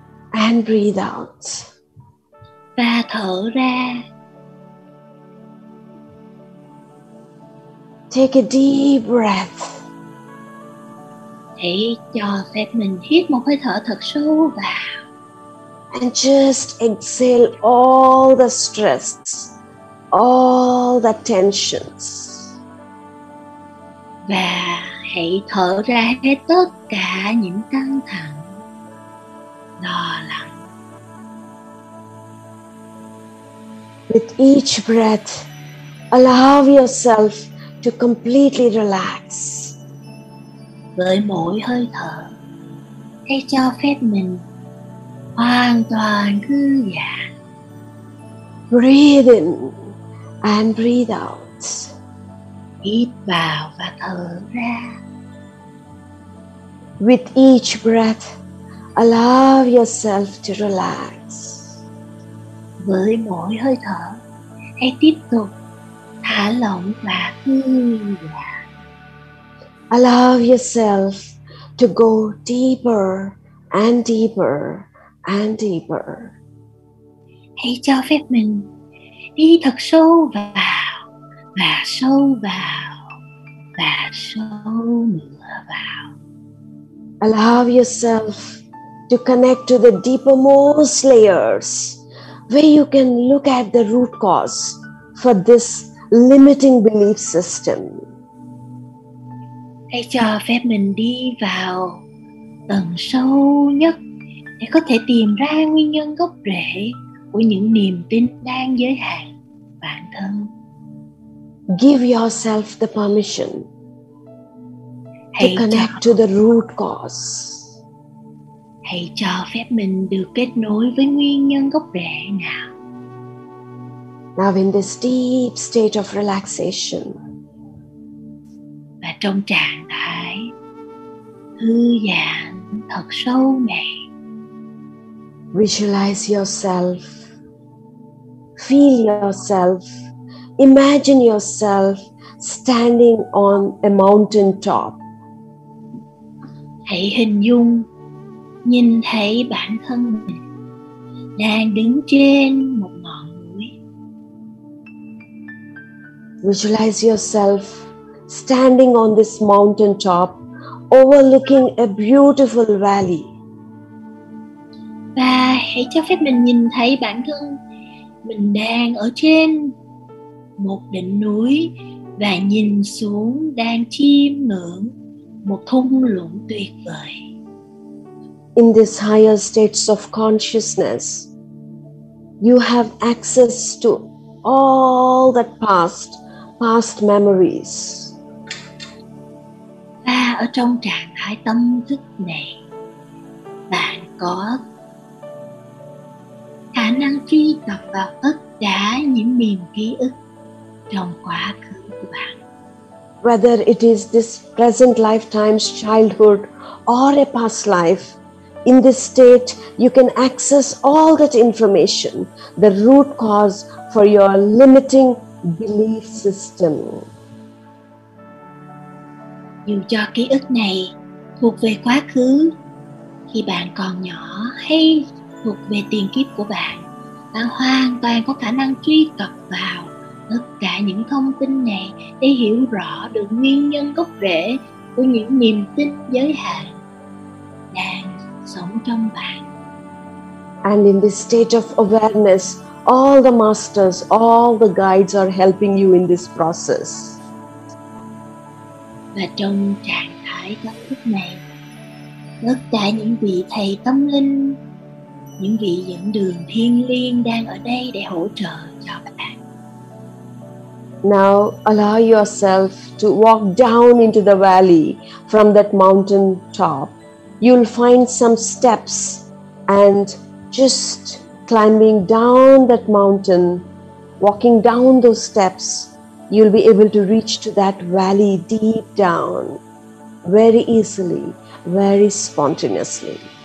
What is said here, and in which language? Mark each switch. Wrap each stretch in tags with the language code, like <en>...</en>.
<en>And breathe out.</en> <vi>Và thở ra.</vi> <en>Take a deep breath.</en> <vi>Hãy cho phép mình hít một hơi thở thật sâu vào.</vi> <en>And just exhale all the stress, all the tensions.</en> <vi>Và hãy thở ra hết tất cả những căng thẳng, lo lắng.</vi> <en>With each breath, allow yourself to completely relax.</en> <vi>Với mỗi hơi thở, hãy cho phép mình hoàn toàn thư giãn.</vi> <en>Breathe in and breathe out.</en> <vi>Hít vào và thở ra.</vi> <en>With each breath, allow yourself to relax.</en> <vi>Với mỗi hơi thở, hãy tiếp tục thả lỏng và thư giãn.</vi> <en>Allow yourself to go deeper and deeper and deeper.</en> <vi>Hãy cho phép mình đi thật sâu vào và sâu vào và sâu nữa vào.</vi> <en>Allow yourself to connect to the deepermost layers where you can look at the root cause for this limiting belief system.</en> <vi>Hãy cho phép mình đi vào tầng sâu nhất để có thể tìm ra nguyên nhân gốc rễ của những niềm tin đang giới hạn bản thân.</vi> <en>Give yourself the permission to connect to the root cause.</en> <vi>Hãy cho phép mình được kết nối với nguyên nhân gốc rễ nào.</vi> <en>Now in this deep state of relaxation.</en> <vi>Và trong trạng thái thư giãn thật sâu này.</vi> <en>Visualize yourself. Feel yourself. Imagine yourself standing on a mountain top.</en> <vi>Hãy hình dung, nhìn thấy bản thân mình đang đứng trên một ngọn núi.</vi> <en>Visualize yourself standing on this mountain top, overlooking a beautiful valley.</en> <vi>Và hãy cho phép mình nhìn thấy bản thân mình đang ở trên một đỉnh núi và nhìn xuống đang chiêm ngưỡng một thung lũng tuyệt vời.</vi> <en>In these higher states of consciousness, you have access to all that past memories.</en> <vi>Và ở trong trạng thái tâm thức này, bạn có khả năng truy cập vào tất cả những niềm ký ức trong quá khứ của bạn.</vi> <en>Whether it is this present lifetime's childhood or a past life, in this state, you can access all that information, the root cause for your limiting belief system.</en> <vi>Dù cho ký ức này thuộc về quá khứ, khi bạn còn nhỏ hay thuộc về tiền kiếp của bạn, bạn hoàn toàn có khả năng truy cập vào tất cả những thông tin này để hiểu rõ được nguyên nhân gốc rễ của những niềm tin giới hạn đang sống trong bạn.</vi> <en>And in this state of awareness all the masters, all the guides are helping you in this process.</en> <vi>Và trong trạng thái tâm thức này, tất cả những vị thầy tâm linh, những vị dẫn đường thiêng liêng đang ở đây để hỗ trợ cho bạn.</vi> <en>Now allow yourself to walk down into the valley from that mountain top. You'll find some steps and just climbing down that mountain, walking down those steps, you'll be able to reach to that valley deep down very easily, very spontaneously.</en>